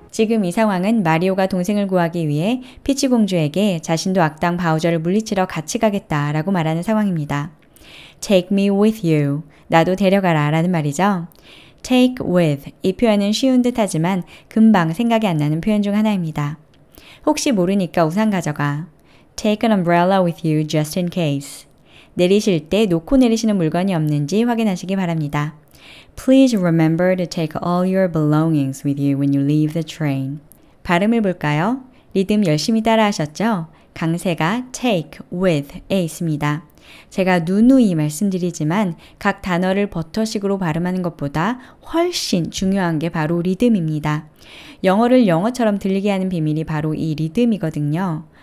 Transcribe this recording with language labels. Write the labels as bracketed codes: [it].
[ko] 지금 이 상황은 마리오가 동생을 구하기 위해 피치 공주에게 자신도 악당 바우저를 물리치러 같이 가겠다라고 말하는 상황입니다. [en] Take me with you. [ko] 나도 데려가라 라는 말이죠. [en] Take with. [ko] 이 표현은 쉬운 듯 하지만 금방 생각이 안 나는 표현 중 하나입니다. 혹시 모르니까 우산 가져가. [en] Take an umbrella with you just in case. [ko] 내리실 때 놓고 내리시는 물건이 없는지 확인하시기 바랍니다. [en] Please remember to take all your belongings with you when you leave the train. [ko] 발음을 볼까요? 리듬 열심히 따라 하셨죠? 강세가 take, with에 있습니다. 제가 누누이 말씀드리지만 각 단어를 버터식으로 발음하는 것보다 훨씬 중요한 게 바로 리듬입니다. 영어를 영어처럼 들리게 하는 비밀이 바로 이 리듬이거든요.